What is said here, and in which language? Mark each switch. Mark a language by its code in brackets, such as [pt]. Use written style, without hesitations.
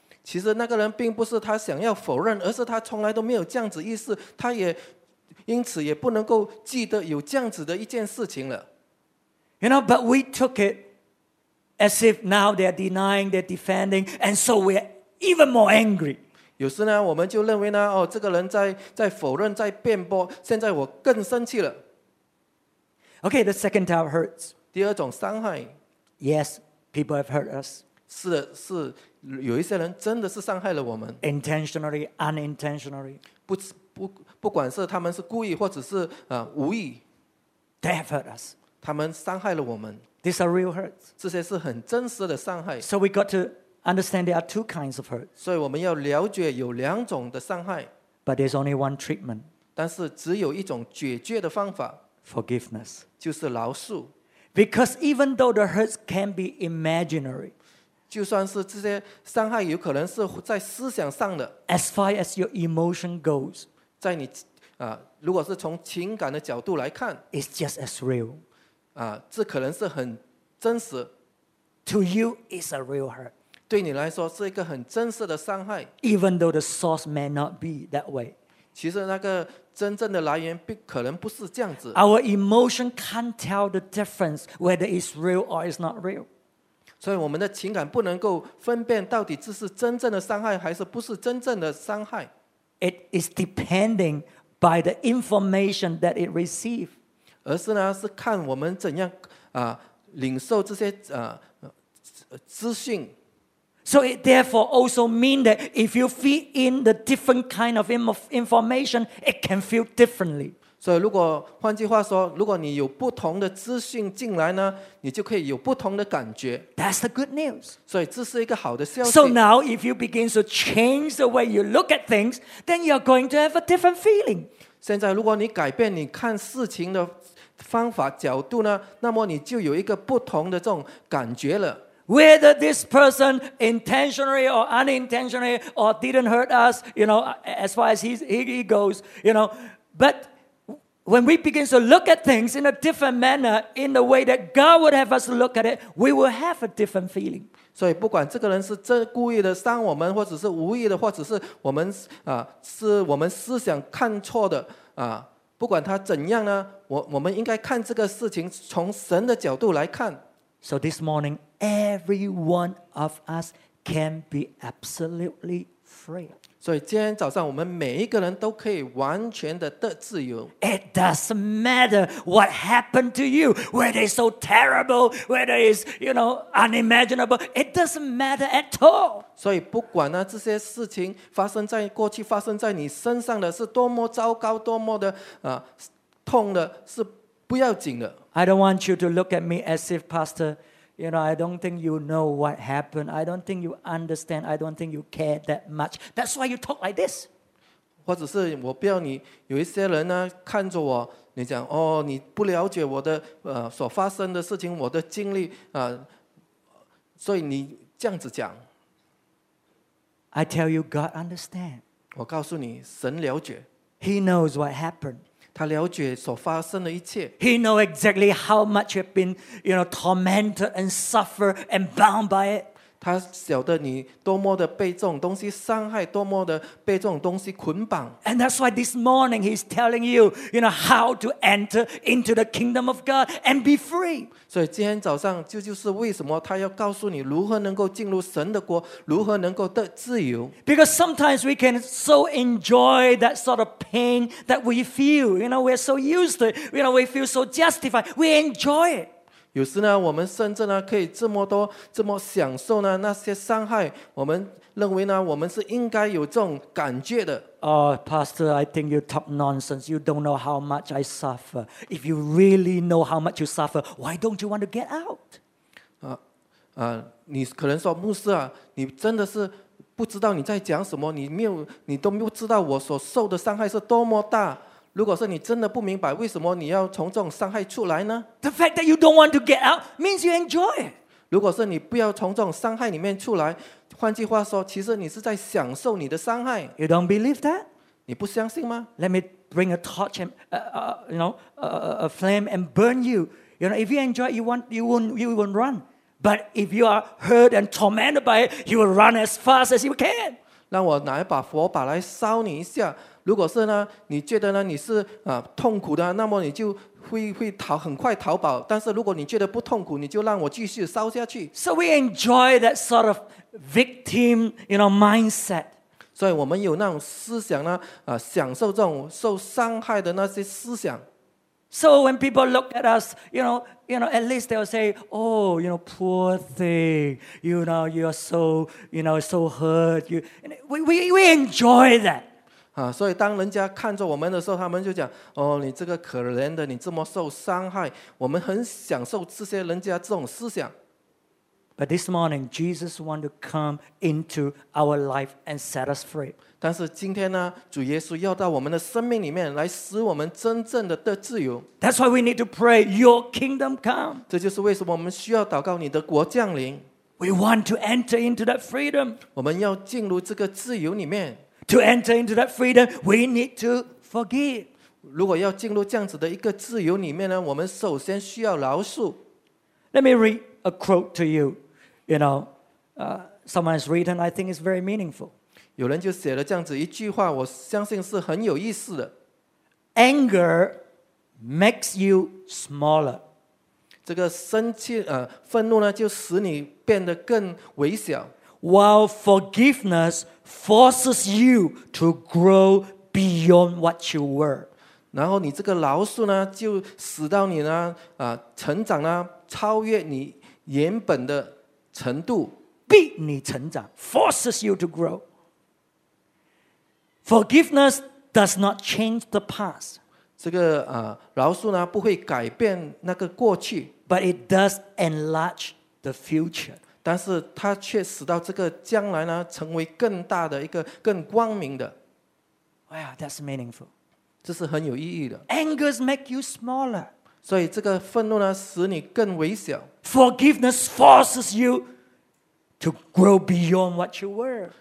[zh] 其实那个人并不是他想要否认，而是他从来都没有这样子意思，他也因此也不能够记得有这样子的一件事情了。 [en] You know, but we took it as if now they're denying, they're defending, and so we're even more angry. [zh] 有时呢，我们就认为呢，哦，这个人在否认，在辩驳。现在我更生气了。 [en] Okay, the second type hurts. [zh] 第二种伤害。 [en] Yes, people have hurt us. [zh] 是有一些人真的是伤害了我们。 [en] Intentionally, unintentionally. [zh] 不管是他们是故意或者是无意。 [en] They have hurt us. [zh] 他们伤害了我们。 [en] These are real hurts. [zh] 这些是很真实的伤害。 [en] So we got to. Understand there are two kinds of hurt. [zh] 所以我们要了解有两种的伤害。 [en] But there's only one treatment. [zh] 但是只有一种解决的方法。 [en] Forgiveness. [zh] 就是饶恕。 [en] Because even though the hurts can be imaginary, [zh] 就算是这些伤害有可能是在思想上的。 [en] As far as your emotion goes, [zh] 在你如果是从情感的角度来看 [en] ，it's just as real. [zh] 这可能是很真实。 [en] To you, it's a real hurt. [zh] 对你来说是一个很真实的伤害。 [en] Even though the source may not be that way, [zh] 其实那个真正的来源可能不是这样子。 [en] Our emotion can't tell the difference whether it's real or it's not real. [zh] 所以我们的情感不能够分辨到底这是真正的伤害还是不是真正的伤害。 [en] It is depending by the information that it receives. [zh] 而是呢，是看我们怎样领受这些资讯。 [en] So it therefore also means that if you feed in the different kind of information, it can feel differently. [zh] So, 如果换句话说，如果你有不同的资讯进来呢，你就可以有不同的感觉。 [en] That's the good news. [zh] 所以这是一个好的消息。 [en] So now, if you begin to change the way you look at things, then you're going to have a different feeling. [zh] 现在如果你改变你看事情的方法角度呢，那么你就有一个不同的这种感觉了。 [en] Whether this person intentionally or unintentionally or didn't hurt us, you know, as far as he goes, you know. But when we begin to look at things in a different manner, in the way that God would have us look at it, we will have a different feeling. [zh] 所以不管这个人是真故意的伤我们，或者是无意的，或者是我们是我们思想看错的不管他怎样呢，我们应该看这个事情从神的角度来看。 [en] So this morning, every one of us can be absolutely free. [zh] 所以今天早上我们每一个人都可以完全的得自由。 [en] It doesn't matter what happened to you, whether it's so terrible, whether it's, you know, unimaginable, it doesn't matter at all. [zh] 所以不管呢，这些事情发生在过去，发生在你身上的是多么糟糕，多么的痛的，是不要紧的。 [en] I don't want you to look at me as if, Pastor, you know, I don't think you know what happened. I don't think you understand. I don't think you care that much. That's why you talk like this. [zh] 或者是我不要你有一些人呢看着我，你讲哦，你不了解我的所发生的事情，我的经历所以你这样子讲。 [en] I tell you, God understands. [zh] 我告诉你，神了解。 [en] He knows what happened. [zh] 他了解所发生的一切。 [en] He knows exactly how much you've been, you know, tormented and suffered and bound by it. [zh] 他晓得你多么的被这种东西伤害，多么的被这种东西捆绑。 [en] And that's why this morning he's telling you, you know, how to enter into the kingdom of God and be free. [zh] 所以今天早上就是为什么他要告诉你如何能够进入神的国，如何能够得自由。 [en] Because sometimes we can so enjoy that sort of pain that we feel, you know, we're so used to it, you know, we feel so justified, we enjoy it. [zh] 有时呢，我们甚至呢可以这么享受呢那些伤害，我们认为呢我们是应该有这种感觉的。 [en] Oh, Pastor, I think you talk nonsense. You don't know how much I suffer. If you really know how much you suffer, why don't you want to get out? [zh] 你可能说牧师啊，你真的是不知道你在讲什么，你都没有知道我所受的伤害是多么大。如果是你真的不明白为什么你要从这种伤害出来呢 [en] ？The fact that you don't want to get out means you enjoy it. [zh] 如果是你不要从这种伤害里面出来，换句话说，其实你是在享受你的伤害。 [en] You don't believe that? [zh] 你不相信吗？ [en] Let me bring a torch and a flame and burn you. You know, if you enjoy, you won't run. But if you are hurt and tormented by it, you will run as fast as you can. [zh] 让我拿一把火把来烧你一下。如果是呢，你觉得呢你是痛苦的，那么你就会逃，很快逃跑。但是如果你觉得不痛苦，你就让我继续烧下去。 [en] So we enjoy that sort of victim, you know, mindset. [zh] 所以我们有那种思想呢，享受这种受伤害的那些思想。 [en] So when people look at us, you know, at least they'll say, "Oh, you know, poor thing. You know, you're so, you know, so hurt." We enjoy that. [zh] 所以当人家看着我们的时候，他们就讲，哦，你这个可怜的，你这么受伤害，我们很享受这些人家这种思想。 [en] But this morning, Jesus wants to come into our life and set us free. [zh] 但是今天呢，主耶稣要到我们的生命里面来，使我们真正的自由。 [en] That's why we need to pray, Your kingdom come. [zh] 这就是为什么我们需要祷告你的国降临。 [en] We want to enter into that freedom. [zh] 我们要进入这个自由里面。 [en] To enter into that freedom, we need to forgive. [zh] 如果要进入这样子的一个自由里面呢，我们首先需要饶恕。 [en] Let me read a quote to you. You know, someone has written, I think it's very meaningful. [zh] 有人就写了这样子一句话，我相信是很有意思的。 [en] Anger makes you smaller. [zh] 这个生气，愤怒呢，就使你变得更微小。 [en] While forgiveness forces you to grow beyond what you were. [zh] 然后你这个饶恕呢，就使到你呢，成长呢，超越你原本的程度，逼你成长， [en] forces you to grow. Forgiveness does not change the past. [zh] 这个饶恕呢，不会改变那个过去， [en] but it does enlarge the future. [zh] 但是它却使到这个将来呢，成为更大的一个更光明的。 [en] Wow, that's meaningful. [zh] 这是很有意义的。 [en] Angers make you smaller. [zh] 所以这个愤怒呢，使你更微小。 [en] Forgiveness forces you to grow beyond what you were.